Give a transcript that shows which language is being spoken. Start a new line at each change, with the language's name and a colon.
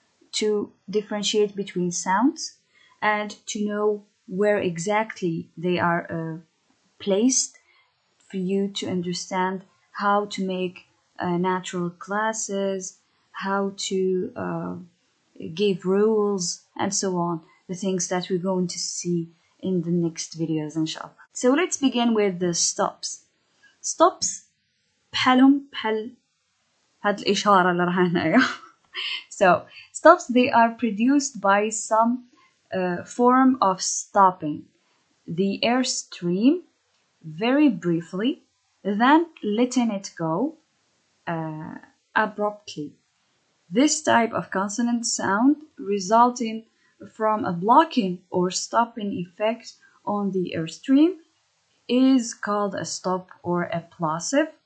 English: to differentiate between sounds and to know where exactly they are placed for you to understand how to make natural classes, how to give rules, and so on, the things that we're going to see in the next videos, inshallah. So let's begin with the stops.
Arabic: Stops, بحالهم بحال هاد الإشارة اللي راه هنايا.
English: So stops, they are produced by some form of stopping the airstream very briefly, then letting it go abruptly. This type of consonant sound resulting from a blocking or stopping effect on the airstream is called a stop or a plosive.